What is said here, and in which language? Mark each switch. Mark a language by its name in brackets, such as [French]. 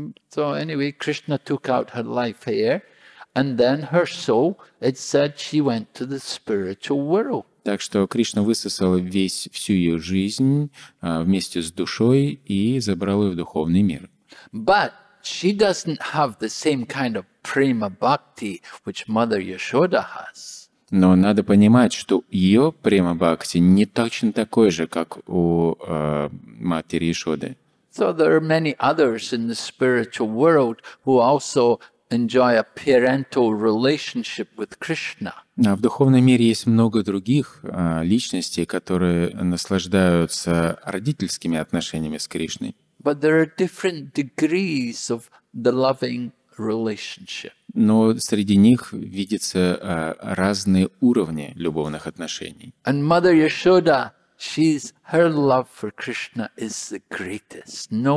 [English] So anyway, Krishna took out her life here, and then her soul, it said, she went to the spiritual world. [Russian] Так что Кришна высосал весь всю ее жизнь вместе с душой и забрал ее в духовный мир. [English] But she doesn't have the same kind of prema bhakti which Mother Yashoda has. [Russian] Но надо понимать, что ее prema bhakti не точно такой же, как у матери Яшоды. [English] So there are many others in the spiritual world who also enjoy a parental relationship with Krishna. [Russian] А в духовном мире есть много других личностей, которые наслаждаются родительскими отношениями с Кришной. [English] But there are different degrees of the loving relationship. [Russian] Но среди них видятся разные уровни любовных отношений. [English] And Mother Yashoda, she's, her love for Krishna is the greatest.